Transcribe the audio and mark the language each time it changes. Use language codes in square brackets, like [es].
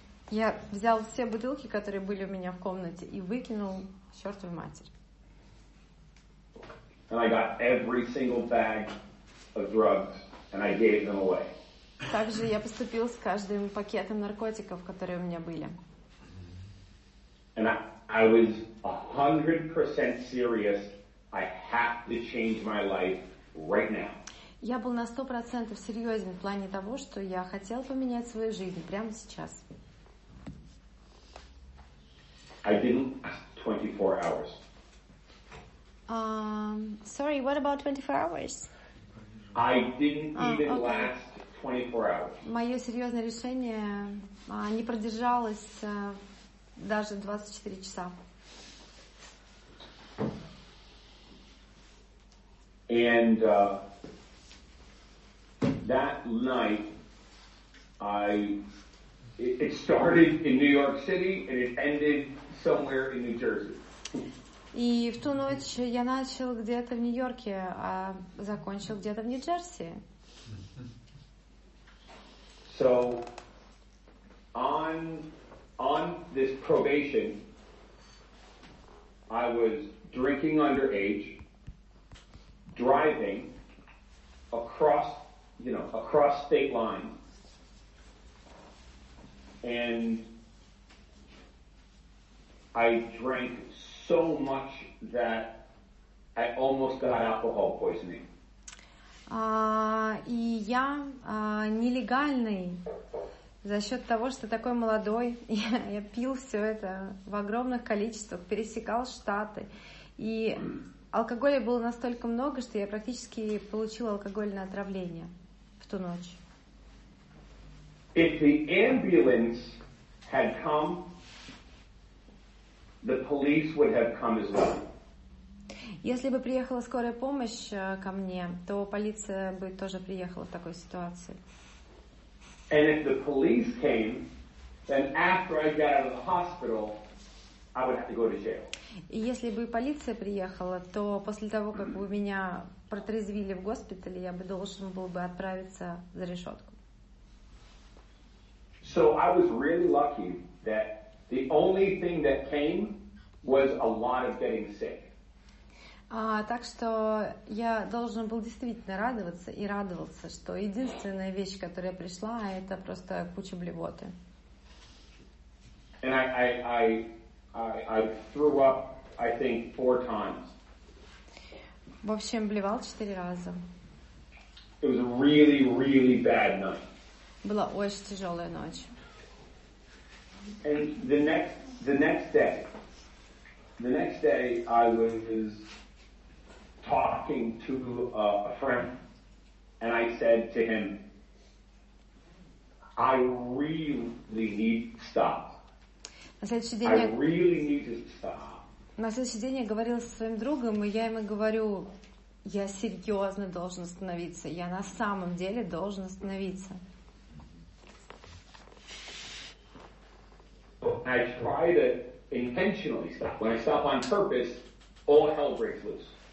[ru] Я взял все бутылки, которые были у меня в комнате, и выкинул чертову матерь. [en] And I got every single bag of drugs, and I gave them away. [ru] Также я поступил с каждым пакетом наркотиков, которые у меня были. [en] And I was 100% serious. I have to change my life right now. [ru] Я был на 100% серьезен в плане того, что я хотел поменять свою жизнь прямо сейчас. [en] I didn't ask 24 hours. Sorry, what about 24 hours? I didn't even last 24 hours. [ru] Моё серьёзное решение не продержалось даже 24 часа. [en] And that night, it started in New York City and it ended somewhere in New Jersey. [ru] И в ту ночь я начал где-то в Нью-Йорке, а закончил где-то в Нью-Джерси. [en] So, on this probation, I was drinking underage, driving across, you know, across state lines, and I drank so much that I almost got alcohol poisoning. [ru] И я нелегальный за счет того, что такой молодой. Я пил все это в огромных количествах, пересекал штаты. И алкоголя было настолько много, что я практически получил алкогольное отравление в ту ночь. [en] If the ambulance had come, the police would have come as well. [ru] Если бы приехала скорая помощь ко мне, то полиция бы тоже приехала в такой ситуации. [en] And if the police came, then after I got out of the hospital, I would have to go to jail. [ru] И если бы полиция приехала, то после того, как бы меня протрезвили в госпитале, я бы должен был бы отправиться за решетку. [en] So I was really lucky that the only thing that came was a lot of getting sick. [ru] Так что я должен был действительно радоваться и радовался, что единственная вещь, которая пришла, это просто куча блевоты. [en] And I threw up, I think, 4 times. [ru] В общем, блевал 4 раза. [en] It was a really, really bad night. [ru] Была очень тяжелая ночь. [en] And the next day I was talking to a friend, and I said to him, I really need to stop. [ru] На следующий день я говорил со своим другом, и я ему говорю, я серьезно должен остановиться, я на самом деле должен остановиться. [en] I try to intentionally stop. When I stop on purpose, all hell breaks loose.